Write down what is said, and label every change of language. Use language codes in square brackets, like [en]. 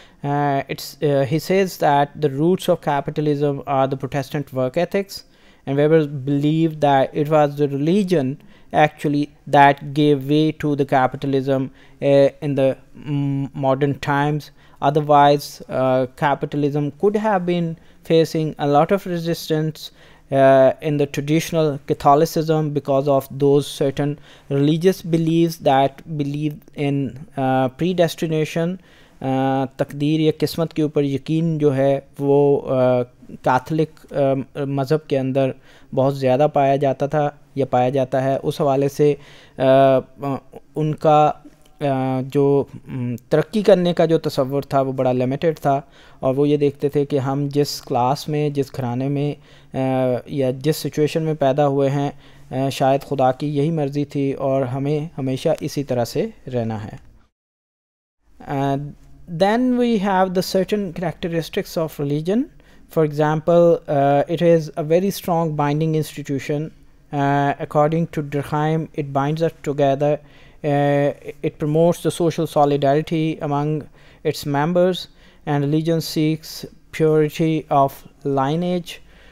[en] He says that the roots of capitalism are the Protestant work ethics, and Weber believed that it was the religion actually that gave way to the capitalism in the modern times. Otherwise, capitalism could have been facing a lot of resistance in the traditional Catholicism because of those certain religious beliefs that believe in predestination. [ur] تقدیر یا قسمت کے اوپر یقین جو ہے وہ Catholic مذہب کے اندر بہت زیادہ پایا جاتا تھا یا پایا جاتا ہے اس حوالے سے ان کا جو ترقی کرنے کا جو تصور تھا وہ بڑا لمیٹڈ تھا اور وہ یہ دیکھتے تھے کہ ہم جس کلاس میں جس گھرانے میں یا جس سچویشن میں پیدا ہوئے ہیں شاید خدا کی یہی مرضی تھی اور ہمیں ہمیشہ اسی طرح سے رہنا ہے. [en] Then we have the certain characteristics of religion. For example, it is a very strong binding institution. According to Durkheim, it binds us together. It promotes the social solidarity among its members, and religion seeks purity of lineage.